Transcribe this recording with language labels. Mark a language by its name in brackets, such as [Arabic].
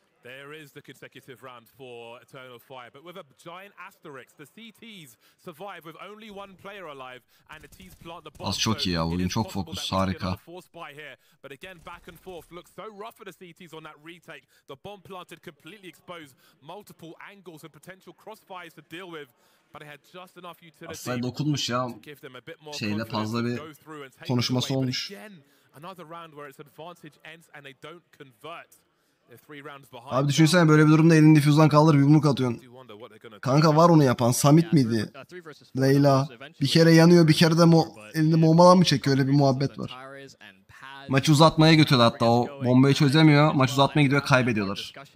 [English] There is the consecutive round for Eternal Fire, but with a giant asterisk, the CTs survive with only one player alive, and the T's plant the bomb. [Turkish] Az çok iyi ya, bugün çok fokus, harika. [English] But again, back and forth looks so rough for the CTs on that retake. The bomb planted completely exposed multiple angles and potential crossfires to deal with, but they had just enough utility. [Turkish] Aslında dokunmuş ya, şeyde fazla bir konuşması olmuş. [English] Another round where its advantage ends and they don't convert. [Turkish] Abi düşünsene böyle bir durumda elini difüzden kaldır, bir yumruk atıyorsun. Kanka var onu yapan, Samit miydi? Leyla. Bir kere yanıyor, bir kere de elinde bombadan mı çekiyor, öyle bir muhabbet var. Maçı uzatmaya götürdü hatta, o bombayı çözemiyor, maç uzatmaya gidiyor, kaybediyorlar.